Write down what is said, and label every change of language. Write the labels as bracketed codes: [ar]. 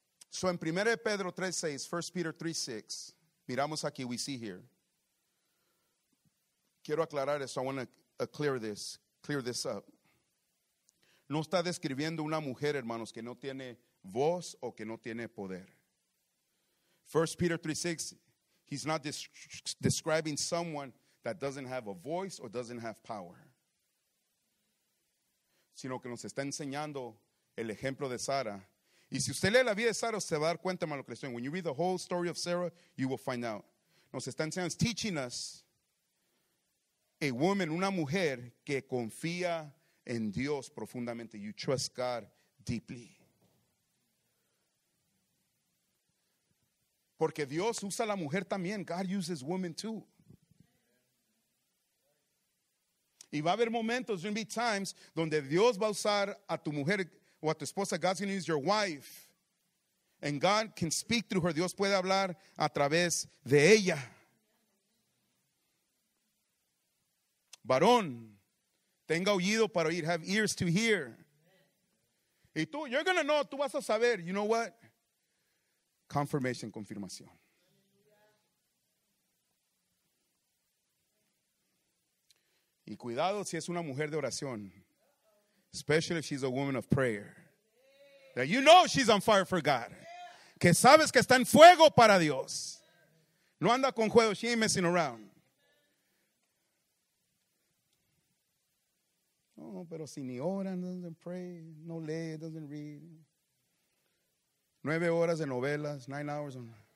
[en] So in 1 Pedro 3:6, 1 Peter 3:6, [es] miramos aquí, [en] we see here. [es] Quiero aclarar esto, [en] I want to clear this up. [es] No está describiendo una mujer, hermanos, que no tiene voz o que no tiene poder. [en] 1 Peter 3:6, he's not describing someone that doesn't have a voice or doesn't have power. [es] Sino que nos está enseñando el ejemplo de Sara. Y si usted lee la vida de Sara, se va a dar cuenta de lo que le estoy diciendo. [en] When you read the whole story of Sarah, you will find out. [es] Nos está enseñando, [en] teaching us a woman, [es] una mujer que confía en Dios profundamente. [en] You trust God deeply. [es] Porque Dios usa a la mujer también. [en] God uses women too. [es] Y va a haber momentos, [en] there'll be times, [es] donde Dios va a usar a tu mujer o a tu esposa. [en] God's going to use your wife. And God can speak through her. [es] Dios puede hablar a través de ella. Varón, tenga oído para oír. [en] Have ears to hear. [es] Y tú, [en] you're going to know, [es] tú vas a saber. [en] You know what? Confirmation, confirmación. [es] Y cuidado si es una mujer de oración. [en] Especially if she's a woman of prayer. That you know she's on fire for God. [es] Que sabes que está en fuego para Dios. No anda con juegos. [en] She ain't messing around. [es] No, oh, pero si ni ora, [en] doesn't pray, [es] no lee, [en] doesn't read. [es] 9 horas de novelas, 9 hours. On...